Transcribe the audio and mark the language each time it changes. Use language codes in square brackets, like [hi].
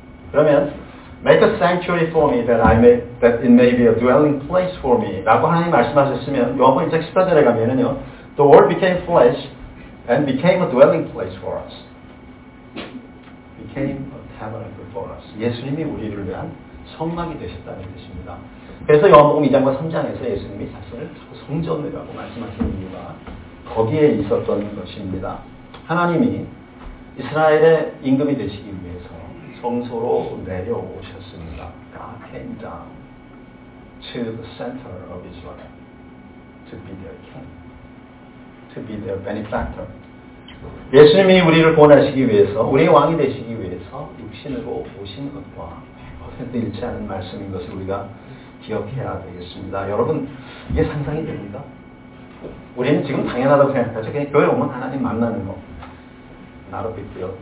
[ko] 그러면 make a sanctuary for me that I may that it may be a dwelling place for me 라고 하나님 말씀하셨으면 요한복음 1장 14절에 가면은요 the word became flesh and became a dwelling place for us became a tabernacle for us 예수님이 우리를 위한 성막이 되셨다는 뜻입니다. 그래서 요한복음 2장과 3장에서 예수님이 자신을 자꾸 성전이라고 말씀하시는 이유가 거기에 있었던 것입니다. 하나님이 이스라엘의 임금이 되시기 위해서 성소로 내려오셨습니다. [en] God came down to the center of Israel to be their king, to be their benefactor. [ko] 예수님이 우리를 구원하시기 위해서, 우리의 왕이 되시기 위해서 육신으로 오신 것과 100% 일치하는 말씀인 것을 우리가 기억해야 되겠습니다. 여러분, 이게 상상이 됩니까? 우리는 지금 당연하다고 생각하죠. 그냥 교회 오면 하나님 만나는 거. 나로 빗대요.